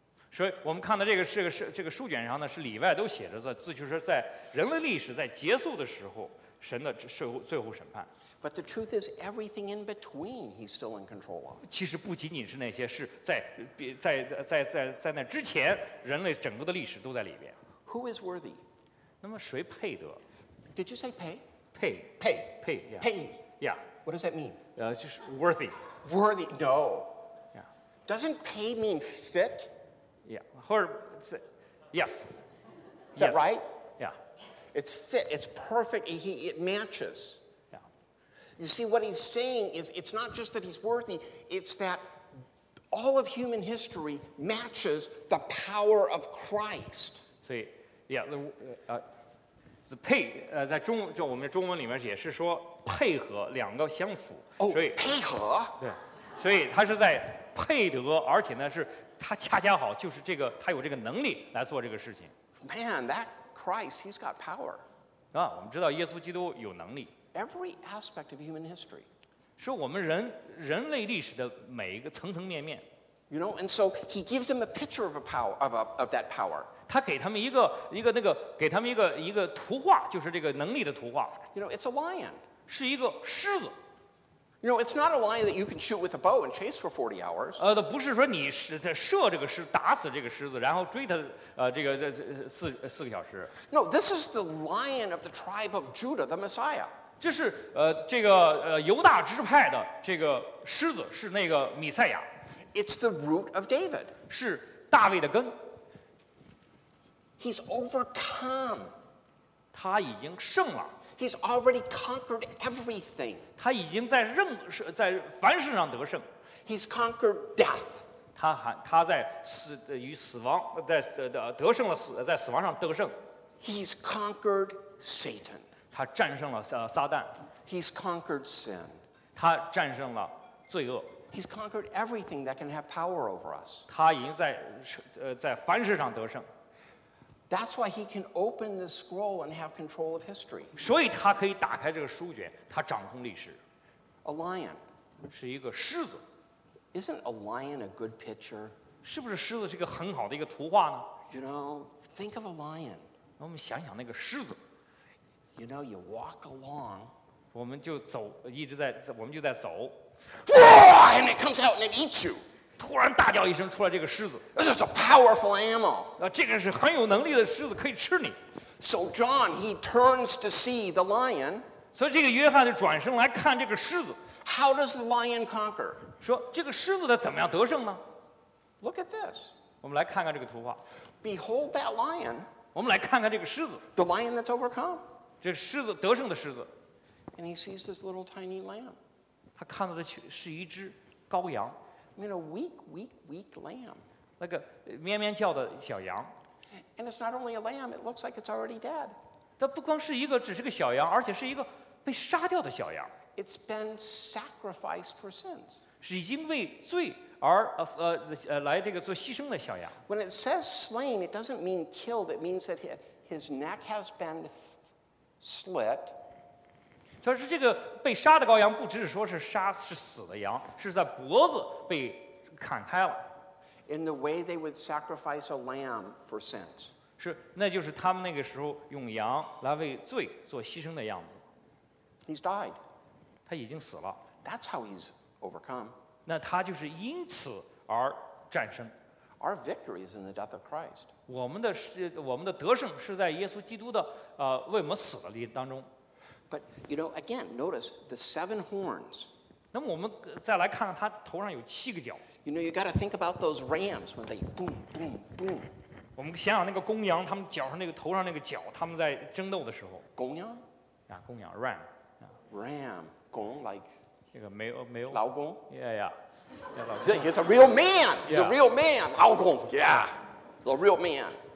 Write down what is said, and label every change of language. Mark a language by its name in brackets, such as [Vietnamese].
[Chinese] 所以我们看到这个书卷上呢，是里外都写着在，就是在人类历史在结束的时候，神的最后审判。 [English] But the truth is, everything in between, he's still in control of. [Chinese] 其实不仅仅是那些是在那之前，人类整个的历史都在里边。 [English] Who is worthy? [Chinese] 那么谁配得 [English] ？Did you say pay? Pay. Pay. Pay. Yeah. Pay. Yeah. What does that mean? [Chinese] 就是 worthy. [English] Worthy. No. Yeah. Doesn't pay mean fit? Yeah. Or yes. Is that yes. right? Yeah. It's fit. It's perfect. It matches. You see, what he's saying is, it's not just that he's worthy; it's that all of human history matches the power of Christ. [Chinese] 所以 yeah, 配在中就我们中文里面也是说配合两个相符，所以配合对，所以他是在配得，而且呢是他恰恰好就是这个他有这个能力来做这个事情。 [English] Man, that Christ, he's got power. [Chinese] 啊，我们知道耶稣基督有能力。 [English] Every aspect of human history. [Chinese] 是我们人类历史的每一个层层面面。 [English] You know, and so he gives them a picture of a power of that power. [Chinese] 他给他们一个那个给他们一个图画，就是这个能力的图画。 [English] You know, it's a lion. [Chinese] 是一个狮子。 [English] You know, it's not a lion that you can shoot with a bow and chase for 40 hours. [Chinese] 不是说你射这个狮子，打死这个狮子，然后追它这个四个小时。 [English] No, this is the lion of the tribe of Judah, the Messiah. [Chinese] 这是这个犹大支派的这个狮子，是那个弥赛亚。 [English] It's the root of David. [Chinese] 是大卫的根。 [English] He's overcome. [Chinese] 他已经胜了。 [English] He's already conquered everything. [Chinese] 他已经在凡事上得胜。 [English] He's conquered death. [Chinese] 他在死与死亡在得胜了死在死亡上得胜。 [English] He's conquered Satan. [Chinese] 他战胜了撒旦。 [English] He's conquered sin. [Chinese] 他战胜了罪恶。 [English] He's conquered everything that can have power over us. [Chinese] 他已经在凡事上得胜。 [English] That's why he can open the scroll and have control of history. [Chinese] 所以他可以打开这个书卷，他掌控历史。 [English] A lion. [Chinese] 是一个狮子。 [English] Isn't a lion a good picture? [Chinese] 是不是狮子是一个很好的一个图画呢？ [English] You know, think of a lion. [Chinese] 我们想想那个狮子。 [English] You know, you walk along. [Chinese] 我们就走，一直在，我们就在走。 [English] Roar! And it comes out and it eats you. [Chinese] 突然大叫一声，出来这个狮子。 [English] This is a powerful animal. [Chinese] 这个是很有能力的狮子，可以吃你。 [English] So John, he turns to see the lion. [Chinese] 所以这个约翰就转身来看这个狮子。 [English] How does the lion conquer? [Chinese] 说这个狮子它怎么样得胜呢？ [English] Look at this. [Chinese] 我们来看看这个图画。 [English] Behold that lion. [Chinese] 我们来看看这个狮子。 [English] The lion that's overcome. [Chinese] 这狮子得胜的狮子。 [English] And he sees this little tiny lamb. [Chinese] 他看到的是一只羔羊。 [English] I mean, a weak, weak, weak lamb. [Chinese] 那个咩咩叫的小羊。 [English] And it's not only a lamb, it looks like it's already dead. [Chinese] 它不光是一个只是个小羊，而且是一个被杀掉的小羊。 [English] It's been sacrificed for sins. [Chinese] 是已经为罪而来这个做牺牲的小羊。 [English] When it says slain, it doesn't mean killed. It means that his neck has been slit. [Chinese] 他说这个被杀的羔羊不只是说是杀是死的羊是在脖子被砍开了。 [English] In the way they would sacrifice a lamb for sins. [Chinese] 是那就是他们那个时候用羊来为罪做牺牲的样子。 [English] He's died. [Chinese] 他已经死了。 [English] That's how he's overcome. [Chinese] 那他就是因此而战胜。 [English] Our victory is in the death of Christ. [Chinese] 我们的得胜是在耶稣基督的为我们死了当中。 [English] But you know, again, notice the seven horns. [Chinese] 那么我们再来看看他头上有七个角。 [English] You know, you got to think about those rams when they boom, boom, boom. [Chinese] 我们想想那个公羊，他们脚上那个头上那个角，他们在争斗的时候。公羊？啊，公羊 ，ram。 [English] Ram, 公 like. [Chinese] 这个没有。老公 [English] ？Yeah, yeah. It's a real man. He's a real man. 老公 ，Yeah, the real man.